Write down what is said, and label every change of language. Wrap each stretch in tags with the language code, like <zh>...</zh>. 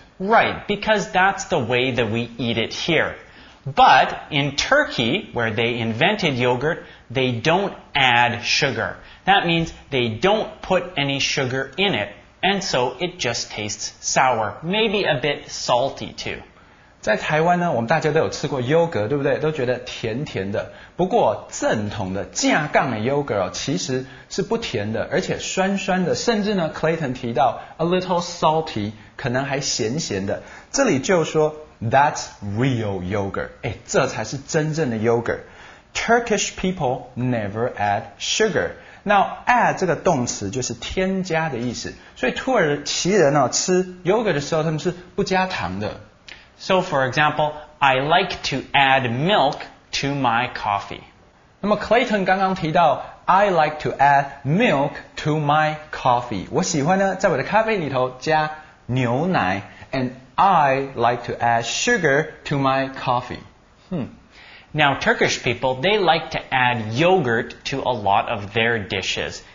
<en>Right, because that's the way that we eat it here. But in Turkey, where they invented yogurt, they don't add sugar. That means they don't put any sugar in it, and so it just tastes sour, maybe a bit salty too.</en> <zh>在台湾呢，我们大家都有吃过优格，对不对？都觉得甜甜的。不过正统的架杠的优格哦，其实是不甜的，而且酸酸的，甚至呢 ，Clayton 提到</zh> <en>a little salty，</en> <zh>可能还咸咸的。这里就说</zh> <en>that's real yogurt，</en> <zh>哎，这才是真正的 yogurt。</zh> <en>Turkish people never add sugar. Now, add</en> <zh>这个动词就是添加的意思。所以土耳其人哦，吃 yogurt 的时候，他们是不加糖的。</zh> <en>So, for example, I like to add milk to my coffee.</en> <zh>那么 Clayton 刚刚提到</zh> <en>I like to add milk to my coffee.</en> <zh>我喜欢呢，在我的咖啡里头加牛奶。</zh> <en>And I like to add sugar to my coffee. Now, Turkish people, they like to add yogurt to a lot of their dishes.</en>